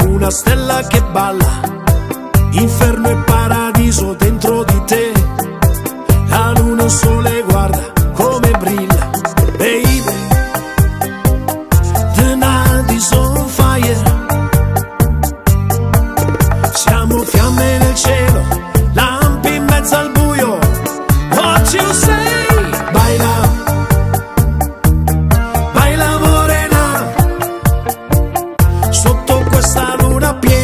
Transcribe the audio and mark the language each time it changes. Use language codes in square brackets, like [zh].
[it] Stella che balla, inferno e paradiso dentro di te. La luna, il sole, guarda come brilla. [en] Baby, the night is on fire. [it] Siamo fiamme nel cielo, lampi in mezzo al buio. [en] What you say? [es] Baila, baila morena, [it] sotto questa luna.